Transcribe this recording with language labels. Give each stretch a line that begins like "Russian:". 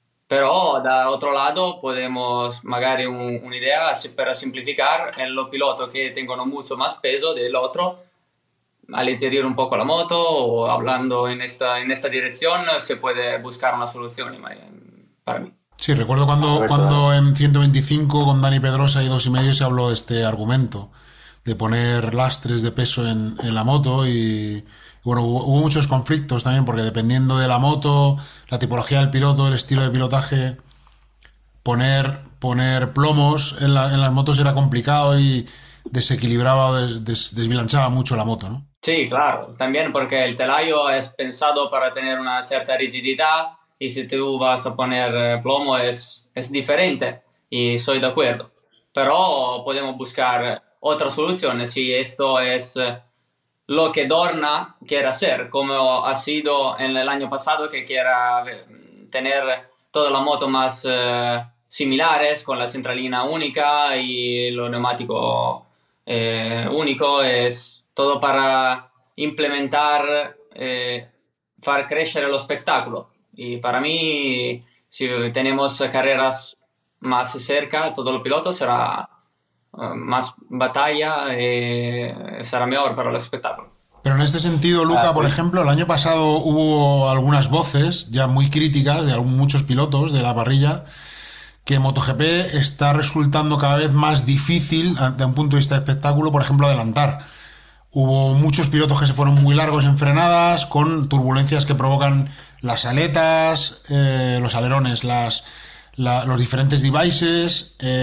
Italian: Però
Spanish: da otro lado podemos,
Italian: magari un'idea per semplificare, è lo piloto che tengono molto più peso dell'altro, alleggerire un po' la moto o
Spanish: hablando
Italian: in esta direzione si può buscare una soluzione, ma per me.
Spanish: Sí, recuerdo Alberto. cuando en 125 con Dani Pedrosa y 2,5 se habló de este argumento, de poner lastres de peso en la moto y bueno, hubo muchos conflictos también porque dependiendo de la moto, la tipología del piloto, el estilo de pilotaje, poner plomos en las motos era complicado y desequilibraba o desbilanchaba mucho la moto, ¿no? Sí, claro, también porque el telaio es pensado para tener una cierta rigidez y si tú vas a poner plomo es diferente y soy de acuerdo. Pero podemos buscar otra solución si esto es lo que Dorna quiere hacer, como ha sido en el año pasado que quiere tener toda la moto más similares con la centralina única y lo neumático único. Es todo para
Italian: implementar, far crescere lo spettacolo. E per me, se abbiamo carriere più cerca, tutto il pilota sarà più battaglia e sarà migliore per lo spettacolo.
Spanish: Pero en este sentido, Luca, por ejemplo, el año pasado hubo algunas voces ya muy críticas de muchos pilotos de la parrilla que MotoGP está resultando cada vez más difícil desde un punto de vista de espectáculo, por ejemplo, adelantar. Hubo muchos pilotos que se fueron muy largos en frenadas con turbulencias que provocan las aletas, los alerones, los diferentes devices.